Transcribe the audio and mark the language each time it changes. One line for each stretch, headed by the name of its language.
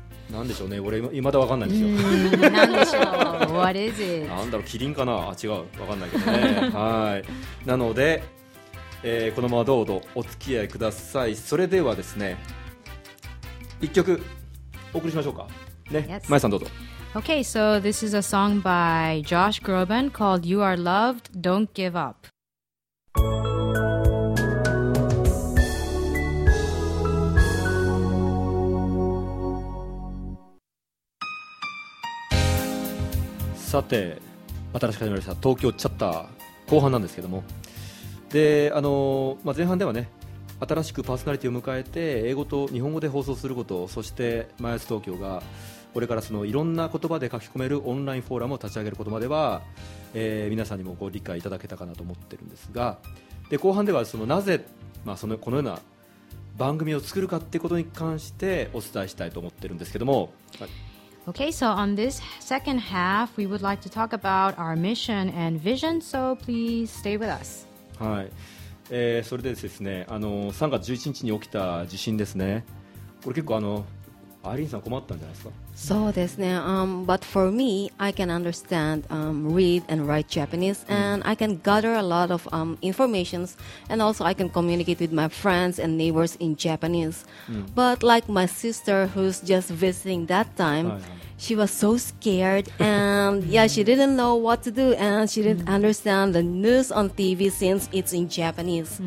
Japanese: 何でしょうね、俺未だ分かんないんですよ。何でしょう、
English: What is it?
Japanese: 何だろう、キリンかな、あ違う、分かんないけどねはい、なので、このままどうぞお付き合いください。それではですね、1曲お送りしましょうか、ね、
English: yes.
Japanese: まえさんどうぞ。
English: Okay, so this is a song by Josh Groban called You Are Loved, Don't Give Up.
Japanese: さて、新しく始まりました東京チャッター後半なんですけども、で、まあ、前半ではね、新しくパーソナリティを迎えて英語と日本語で放送すること、そしてマイアス東京がこれからそのいろんな言葉で書き込めるオンラインフォーラムを立ち上げることまでは、皆さんにもご理解いただけたかなと思ってるんですが、で後半ではそのなぜ、まあ、そのこのような番組を作るかってことに関してお伝えしたいと思ってるんですけども、はい、
English: Okay, so on this second half we would like to talk about our mission and vision, so please stay with us.
Japanese: はい、それでですね、3月11日に起きた地震ですね、これ結構アイリンさん困ったんじゃないですか。そうですね、
English: but for me I can understand、read and write Japanese、うん、and I can gather a lot of、informations and also I can communicate with my friends and neighbors in Japanese、うん、but like my sister who's just visiting that time、
Japanese: はいはい、
English: She was so scared and yeah, she didn't know what to do and she didn't understand the news on TV since it's in Japanese.